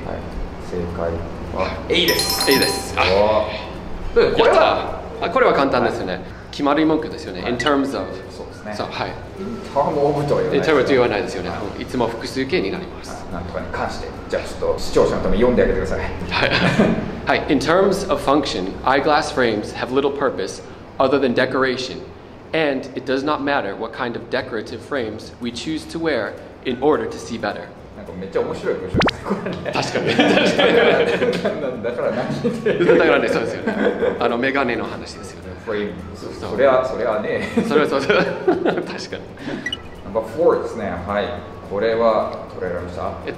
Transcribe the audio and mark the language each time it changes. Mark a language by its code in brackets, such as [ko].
[ja] はい、正解は A です。 A です。あ、これは簡単ですよね、はい、決まり文句ですよね、はい、 [en] In terms of、 [ja] そうですね、そう、はい、 [en] In term of [ja] とは言わないです、 [en] In term [ja] と言わないですよね、はい、いつも複数形になります。なんとかに関して、じゃあちょっと視聴者のために読んであげてください。 [en] はい、はい、In terms of function, eyeglass frames have little purpose other than decoration, and it does not matter what kind of decorative frames we choose to wear in order to see better。 [ja] めっちゃ面白い文章ですね、これね。確かに。だから何？だからね、そうですよね。メガネの話ですよね。フレーム。それはね。それはそうです。確かに。ナンバー4ですね。はい。これは、取れられました？